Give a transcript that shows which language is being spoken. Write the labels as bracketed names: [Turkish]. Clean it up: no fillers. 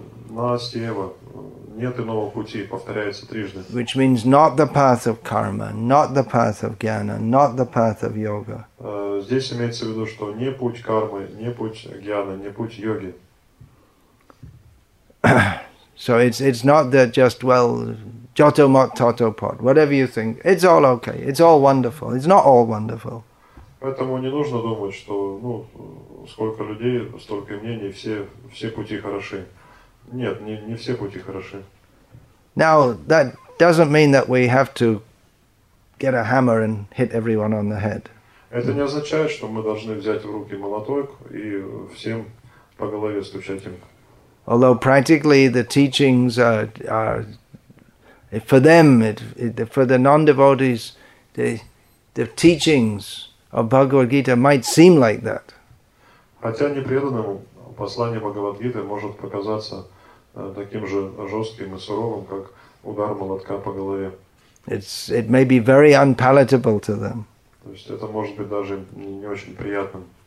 [Russian] Naastieva, нет иного пути, повторяется трижды. [English] Which means not the path of karma, not the path of jnana, not the path of yoga. [Russian] Здесь имеется в виду, что не путь кармы, не путь jnana, не путь йоги. [English] So it's not that just, well, [Bangla] Jato mot tato pot, [English] whatever you think, it's all okay. It's all wonderful. It's not all wonderful. [Russian] Поэтому не нужно думать, что сколько людей, столько мнений, все пути хороши. Нет, не все пути хороши. [English] Now that doesn't mean that we have to get a hammer and hit everyone on the head. [Russian] Это не означает, что мы должны взять в руки молоток и всем по голове стучать им. [English] Although practically the teachings are for them, for the non-devotees, the teachings of Bhagavad Gita might seem like that. [Russian] Хотя непреданному послание Бхагавад Гиты может показаться таким же жестким и суровым, как удар молотка по голове. [English] It may be very unpalatable to them. [Russian] То есть это может быть даже не очень приятным.